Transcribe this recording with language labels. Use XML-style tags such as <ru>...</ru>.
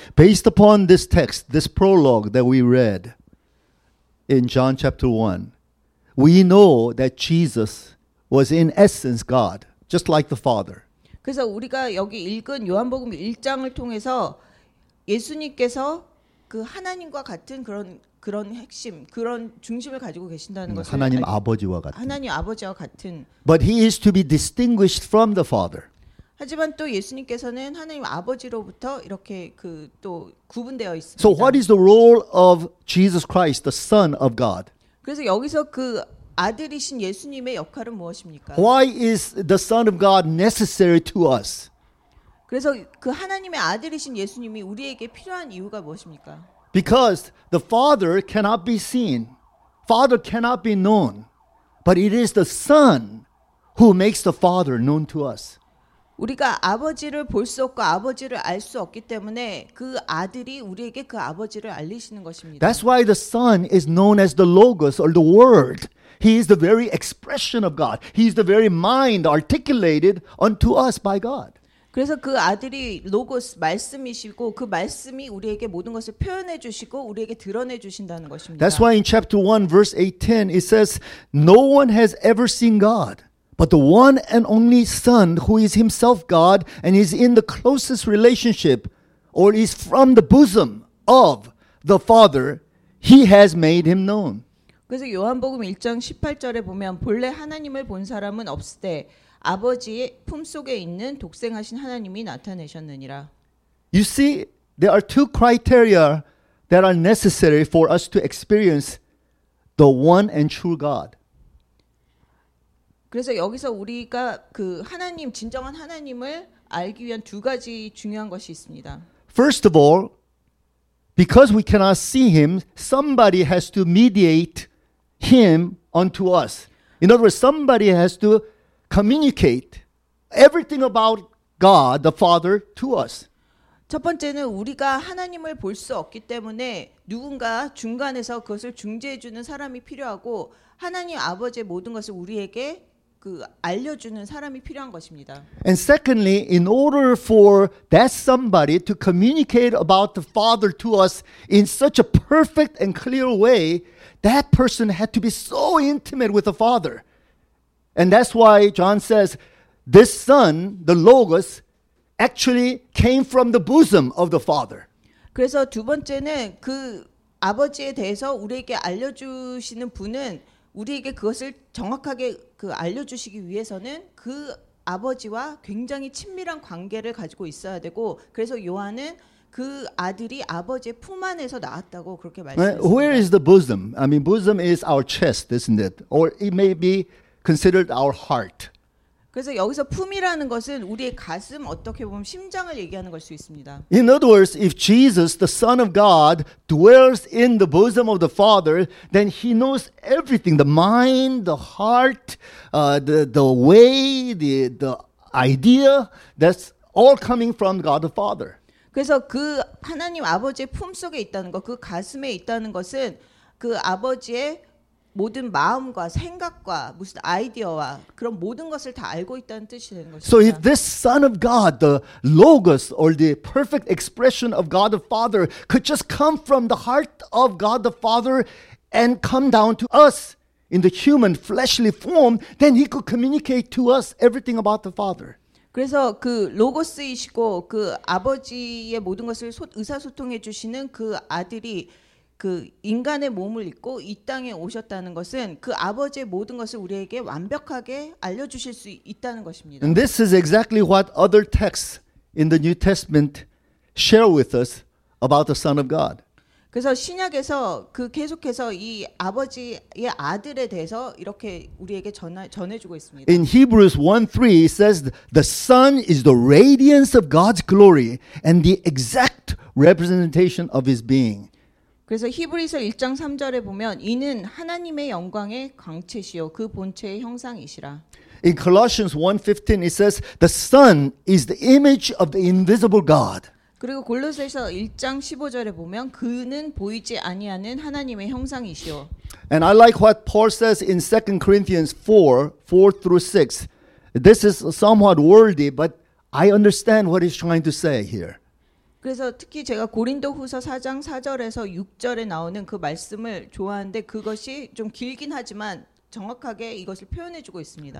<en>Based upon this text, this prologue that we read in John chapter 1, we know that Jesus was in essence God, just like the Father.</en> <ko>그래서 우리가 여기 읽은 요한복음 1장을 통해서 예수님께서 그 하나님과 같은 그런 핵심, 그런 중심을 가지고 계신다는 것을 하나님 아버지와 같은 하나님 아버지와 같은</ko> <en>But he is to be distinguished from the Father.</en> <ko>하지만 또 예수님께서는 하나님 아버지로부터 이렇게 그 또 구분되어 있습니다.</ko> <en>So what is the role of Jesus Christ, the Son of God?</en> <ko>그래서 여기서 그 아들이신 예수님의 역할은 무엇입니까?</ko> <en>Why is the Son of God necessary to us?</en> <ko>그래서 그 하나님의 아들이신 예수님이 우리에게 필요한 이유가 무엇입니까?</ko> <en>Because the Father cannot be seen. Father cannot be known. But it is the Son who makes the Father known to us.</en> <ko>우리가 아버지를 볼 수 없고 아버지를 알 수 없기 때문에 그 아들이 우리에게 그 아버지를 알리시는 것입니다.</ko> <en>That's why the Son is known as the Logos or the Word. He is the very expression of God. He is the very mind articulated unto us by God.</en> <ko>그래서 그 아들이 로고스 말씀이시고 그 말씀이 우리에게 모든 것을 표현해 주시고 우리에게 드러내 주신다는 것입니다.</ko> <en>That's why in chapter 1 verse 8:10 it says no one has ever seen God but the one and only son who is himself God and is in the closest relationship or is from the bosom of the father he has made him known.</en> <ko>그래서 요한복음 1장 18절에 보면 본래 하나님을 본 사람은 없으되 아버지의 품 속에 있는 독생하신 하나님이 나타내셨느니라.</ko> <en>You see, there are two criteria that are necessary for us to experience the one and true God.</en> <ko>그래서 여기서 우리가 그 하나님 진정한 하나님을 알기 위한 두 가지 중요한 것이 있습니다.</ko> <en>First of all, because we cannot see him, somebody has to mediate him unto us. In other words, somebody has to communicate everything about God, the Father, to us.</en> <ko>첫 번째는 우리가 하나님을 볼 수 없기 때문에 누군가 중간에서 그것을 중재해 주는 사람이 필요하고 하나님 아버지의 모든 것을 우리에게 그 알려주는 사람이 필요한 것입니다.</ko> <en>And secondly, in order for that somebody to communicate about the Father to us in such a perfect and clear way, that person had to be so intimate with the Father. And that's why John says, this son, the Logos, actually came from the bosom of the Father.</en> <ko>그래서 두 번째는 그 아버지에 대해서 우리에게 알려주시는 분은 우리에게 그것을 정확하게 그 알려주시기 위해서는 그 아버지와 굉장히 친밀한 관계를 가지고 있어야 되고 그래서 요한은 그 아들이 아버지의 품 안에서 나왔다고 그렇게 말씀했습니다.</ko> <en>Where is the bosom? I mean, bosom is our chest, isn't it? Or it may be considered our heart.</en> <ko>그래서 여기서 품이라는 것은 우리의 가슴 어떻게 보면 심장을 얘기하는 걸 수 있습니다.</ko> <en>In other words, if Jesus, the Son of God, dwells in the bosom of the Father, then he knows everything, the mind, the heart, the way, the idea, that's all coming from God the Father.</en> <ko>그래서 그 하나님 아버지의 품 속에 있다는 것, 그 가슴에 있다는 것은 그 아버지의 모든 마음과 생각과 무슨 아이디어와 그런 모든 것을 다 알고 있다는 뜻이 되는 것입니다.</ko> <en>So if this Son of God, the Logos, or the perfect expression of God the Father, could just come from the heart of God the Father and come down to us in the human fleshly form, then he could communicate to us everything about the Father.</en> <ko>그래서 그 로고스이시고 그 아버지의 모든 것을 의사소통해 주시는 그 아들이 그 인간의 몸을 입고 이 땅에 오셨다는 것은 그 아버지의 모든 것을 우리에게 완벽하게 알려주실 수 있다는 것입니다.</ko> <en>And this is exactly what other texts in the New Testament share with us about the Son of God.</en> <ko>그래서 신약에서 그 계속해서 이 아버지의 아들에 대해서 이렇게 우리에게 전해주고 있습니다.</ko> <en>In Hebrews 1:3 it says the Son is the radiance of God's glory and the exact representation of his being.</en> <ko>그래서 히브리서 1장 3절에 보면 이는 하나님의 영광의 광채시요 그 본체의 형상이시라.</ko> <en>In Colossians 1:15 it says the Son is the image of the invisible God.</en> <ko>그리고 골로새서 1장 15절에 보면 그는 보이지 아니하는 하나님의 형상이시요.</ko> <en>And I like what Paul says in 2 Corinthians 4:4-6. This is somewhat worldly but I understand what he's trying to say here.</en> <ko>그래서 특히 제가 고린도후서 4장 4절에서 6절에 나오는 그 말씀을 좋아하는데 그것이 좀 길긴 하지만 정확하게 이것을 표현해 주고 있습니다.</ko>